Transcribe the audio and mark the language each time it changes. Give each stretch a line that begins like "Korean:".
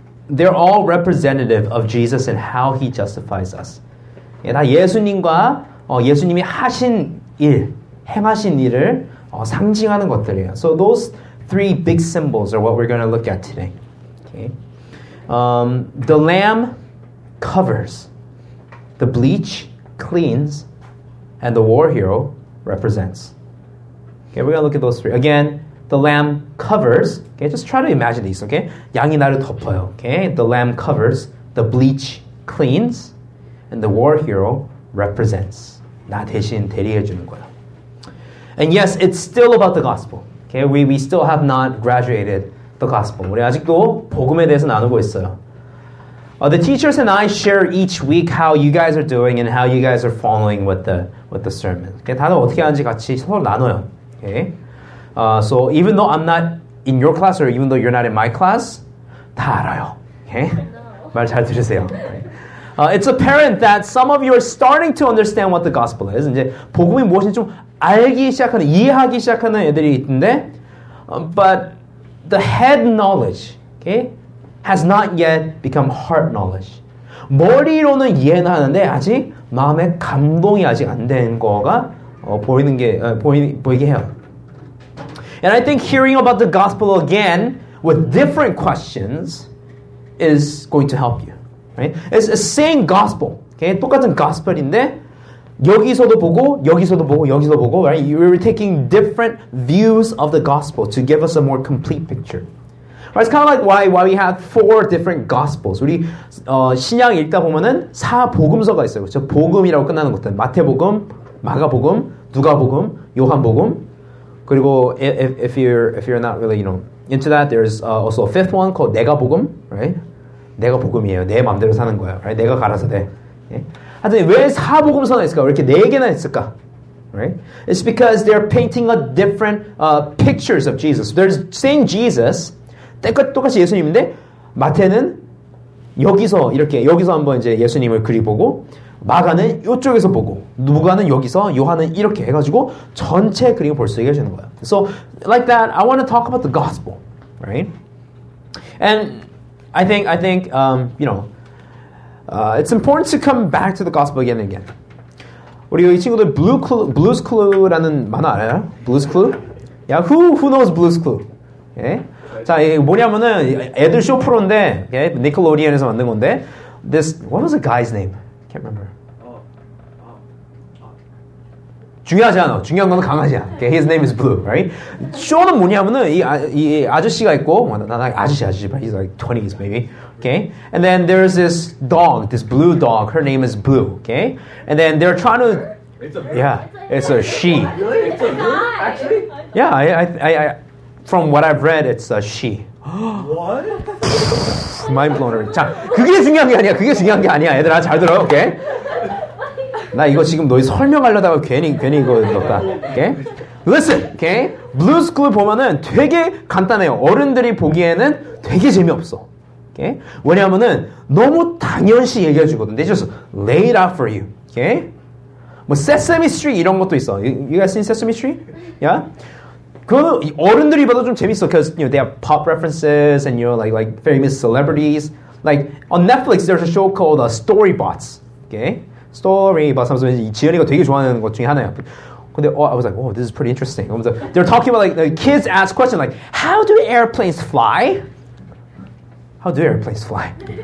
English: They're all representative of Jesus and how He justifies us.
Korean: 예, 다 예수님과 예수님이 하신 일, 행하신 일을 상징하는 것들이에요.
English: So those three big symbols are what we're going to look at today. Okay. The Lamb covers, the Bleach cleans, and the War Hero represents. Okay, we're going to look at those three. Again, the Lamb covers. Okay, just try to imagine these, okay?
Korean: 양이 나를 덮어요.
English: Okay, the Lamb covers, the Bleach cleans, and the War Hero represents.
Korean: 나 대신 대리해 주는 거야.
English: And yes, it's still about the gospel. Okay, we still have not graduated the gospel.
Korean: 우리 아직도 복음에 대해서 나누고 있어요.
English: The teachers and I share each week how you guys are doing and how you guys are following with the sermon.
Korean: Okay, 다들 어떻게 하는지 같이 서로 나눠요.
English: Okay, so even though I'm not in your class or even though you're not in my class,
Korean: 다 알아요. Okay, 말 잘 들으세요.
English: It's apparent that some of you are starting to understand what the gospel is.
Korean: 이제 복음이 무엇인지 좀 알기 시작하는, 이해하기 시작하는 애들이 있는데,
English: but the head knowledge, okay, has not yet become heart knowledge.
Korean: 머리로는 이해는 하는데 아직 마음의 감동이 아직 안 된 거가 보이게 해요.
English: And I think hearing about the gospel again with different questions is going to help you. Right? It's the same gospel. Okay?
Korean: 똑같은 gospel인데 여기서도 보고 여기서도 보고 여기서도 보고. Right?
English: You're taking different views of the gospel to give us a more complete picture. Right? It's kind of like why we have four different gospels.
Korean: 우리 신약 읽다 보면은 사 복음서가 있어요. 그렇죠? 복음이라고 끝나는 것들. 마태복음, 마가복음, 누가복음, 요한복음.
English: 그리고 if you're not really, you know, into that, there's also a fifth one called 내가복음, right?
Korean: 내가 복음이에요. 내 마음대로 사는 거야. Right? 내가 갈아서 돼. Okay? 하여튼 왜 사복음서나 있을까? 왜 이렇게 네 개나 있을까?
English: Right? It's because they're painting a different pictures of Jesus. They're saying Jesus.
Korean: 똑같이 예수님인데 마태는 여기서 이렇게 여기서 한번 이제 예수님을 그리보고 마가는 이쪽에서 보고 누가는 여기서 요한은 이렇게 해가지고 전체 그림을 볼 수 있게 되는 거야.
English: So like that, I want to talk about the gospel. Right? And I think it's important to come back to the gospel again and again.
Korean: 우리 이 친구들 Blue's Clue라는 만화 알아요? Blue's Clue?
English: Yeah, who knows Blue's Clue? Okay.
Korean: 자, 이게 뭐냐면은 애들 쇼 프로인데,
English: okay?
Korean: Nickelodeon에서 만든 건데,
English: this what was the guy's name? Can't remember.
Korean: 중요하지 않아. 중요한 건 강아지야.
English: Okay, his name is Blue, right?
Korean: 쇼는 뭐냐면은 이 아저씨가 있고, 아저씨,
English: but he's like 20s maybe. Okay, and then there's this dog, this blue dog. Her name is Blue. Okay, and then they're trying to, it's a she. Really? It's a girl, actually. Yeah, I, from what I've read, it's a she. What? Mind blown.
Korean: 자, 그게 중요한 게 아니야. 그게 중요한 게 아니야. 얘들아 잘 들어, okay? 나 이거 지금 너희 설명하려다가 괜히 이거 넣었다.
English: Okay? Listen, okay? Blue's Clue
Korean: 보면은 되게 간단해요. 어른들이 보기에는 되게 재미없어.
English: Okay?
Korean: 왜냐하면은 너무 당연시 얘기해주거든.
English: They just lay it out for you. Okay?
Korean: 뭐 Sesame Street 이런 것도 있어.
English: You guys seen Sesame Street? Yeah?
Korean: 그 어른들이 봐도 좀 재밌어.
English: Because you know, they have pop references and you know, like famous celebrities. Like on Netflix, there's a show called Story Bots. Okay? Story, but sometimes
Korean: 지연이가 되게 좋아하는 것 중에 하나야. 근데
English: I was like, oh, this is pretty interesting. They're talking about like the kids ask questions like, how do airplanes fly? How do airplanes fly?